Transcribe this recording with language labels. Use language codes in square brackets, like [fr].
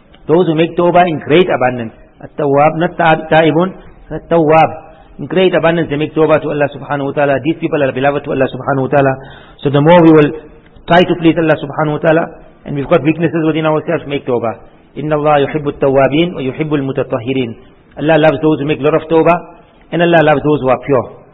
[en] Those who make tawbah in great abundance. [ar] التواب, not تائبون, التواب. [en] In great abundance they make tawbah to Allah subhanahu wa ta'ala. These people are beloved to Allah subhanahu wa ta'ala. So the more we will try to please Allah subhanahu wa ta'ala, and we've got weaknesses within ourselves, make tawbah. [ar] Inna Allah yuhibbu at-tawwabin wa yuhibbu al-mutatahhirin. [en] Allah loves those who make a lot of tawbah, and Allah loves those who are pure.